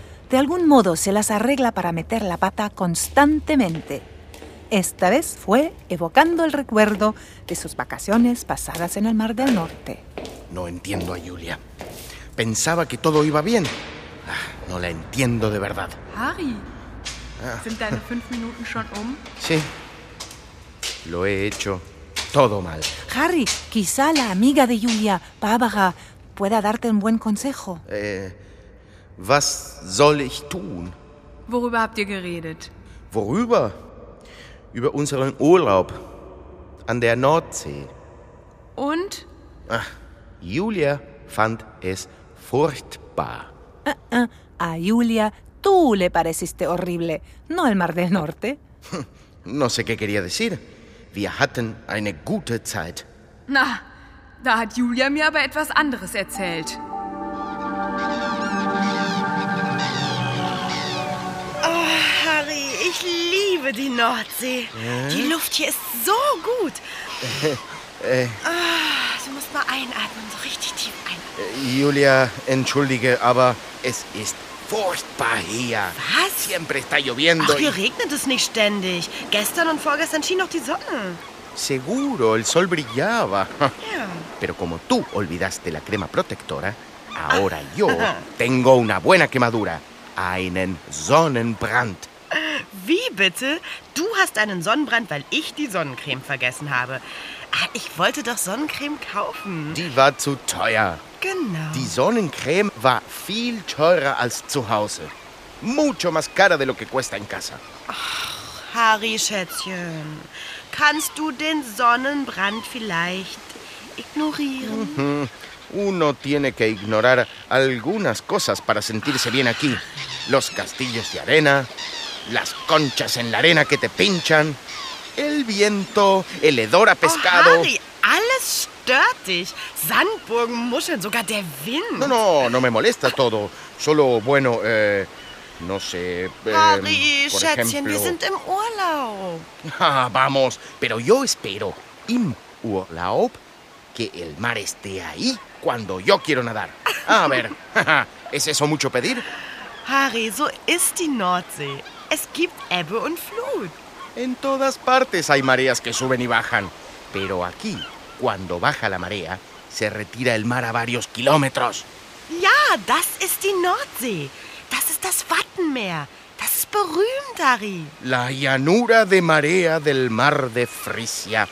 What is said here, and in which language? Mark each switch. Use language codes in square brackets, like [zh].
[es] De algún modo se las arregla para meter la pata constantemente. Esta vez fue evocando el recuerdo de sus vacaciones pasadas en el Mar del Norte. No entiendo a Julia. Pensaba que todo iba bien. No la entiendo de verdad. [de] Harry, ¿sind deine 5 Minuten schon um? [es] Sí, lo he hecho todo mal. Harry, quizá la amiga de Julia, Barbara, pueda darte un buen consejo. [de] Was soll ich tun? Worüber habt ihr geredet? Worüber? Über unseren Urlaub an der Nordsee. Und? Julia fand es furchtbar. [es] A Julia, tú le pareciste horrible, no el Mar del Norte. No sé qué quería decir. [de] Wir hatten eine gute Zeit. Na, da hat Julia mir aber etwas anderes erzählt. Oh, Harry, ich liebe die Nordsee. Die Luft hier ist so gut. Du musst mal einatmen, so richtig tief einatmen. Julia, entschuldige, aber es ist furchtbar hier. Was? [es] Siempre está lloviendo. [de] Ach, hier regnet es nicht ständig. Gestern und vorgestern schien noch die Sonne. [es] Seguro, el sol brillaba. [de] Ja. [es] Pero como tú olvidaste la crema protectora, ahora yo tengo una buena quemadura. [de] Einen Sonnenbrand. Wie bitte? Du hast einen Sonnenbrand, weil ich die Sonnencreme vergessen habe. Ich wollte doch Sonnencreme kaufen. Die war zu teuer. Genau. Die Sonnencreme war viel teurer als zu Hause. [es] Mucho más cara de lo que cuesta en casa. [de] Ach, Harry, Schätzchen. Kannst du den Sonnenbrand vielleicht ignorieren? [es] Uno tiene que ignorar algunas cosas para sentirse bien aquí. Los castillos de arena, las conchas en la arena que te pinchan, el viento, el hedor a pescado. [de] Oh, Harry, alles stört dich. Sandburgen, Muscheln, sogar der Wind. [es] No, no, no me molesta todo. Solo, bueno, no sé. [de] Harry, Schätzchen, wir sind im Urlaub. [es] Ah, vamos, pero yo espero [de] im Urlaub [es] que el mar esté ahí cuando yo quiero nadar. A ver, ¿es eso mucho pedir? [de] Harry, so ist die Nordsee. Es gibt Ebbe und Flut. [es] En todas partes hay mareas que suben y bajan. Pero aquí, cuando baja la marea, se retira el mar a varios kilómetros. [de] Ja, das ist die Nordsee. Das ist das Wattenmeer. Das ist berühmt, Harry. [es] La llanura de marea del mar de Frisia.